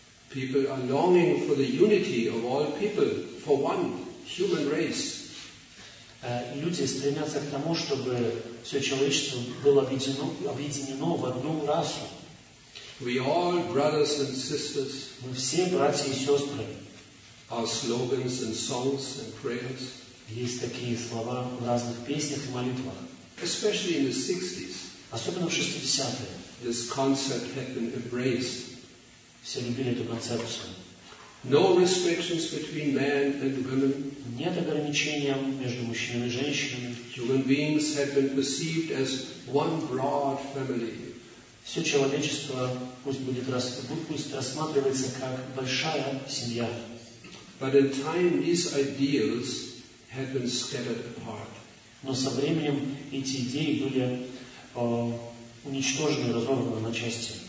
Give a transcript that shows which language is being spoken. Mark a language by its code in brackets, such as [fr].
[en] People are longing for the unity of all people, for one human race. [ru] Люди стремятся к тому, чтобы все человечество было объединено в одну расу. [en] We all brothers and sisters. [ru] Мы все братья и сестры. [en] Our slogans and songs and prayers. [ru] Есть такие слова в разных песнях и молитвах. [en] Especially in the 60s. [ru] Особенно в 60-е. [en] This concept had been embraced. [ru] Все любили эту концепцию. [en] No restrictions between men and women. [ru] Нет ограничений между мужчинами и женщинами. [en] Human beings have been perceived as one broad family. [ru] Все человечество пусть рассматривается как большая семья. [en] But in time, these ideals have been scattered apart. [ru] Но со временем эти идеи были уничтожены, разорваны на части.